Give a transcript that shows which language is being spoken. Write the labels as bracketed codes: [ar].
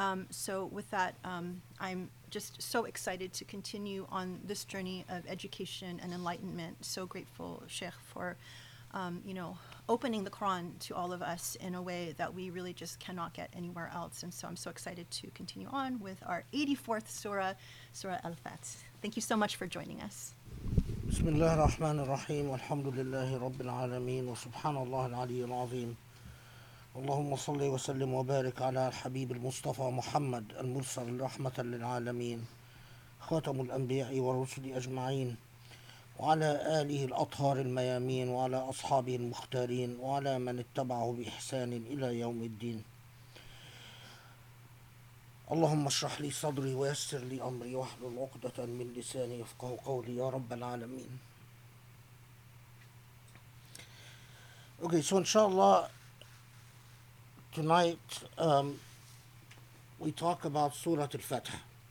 [en] So with that, I'm just so excited to continue on this journey of education and enlightenment. So grateful, Sheikh, for, you know, opening the Quran to all of us in a way that we really just cannot get anywhere else. And so I'm so excited to continue on with our 84th Surah, Surah Al-Fath. Thank you so much for joining us. [ar] بسم الله الرحمن الرحيم والحمد لله رب العالمين وسبحان الله العلي العظيم اللهم صل وسلم وبارك على الحبيب المصطفى محمد المرسل رحمة للعالمين خاتم الأنبياء والرسل أجمعين وعلى آله الأطهار الميامين وعلى أصحابه المختارين وعلى من اتبعه بإحسان إلى يوم الدين اللهم اشرح لي صدري ويسر لي أمري واحلل عقدة من لساني يفقه قولي يا رب العالمين. [en] Okay, so inshallah, tonight we talk about Surah Al-Fath.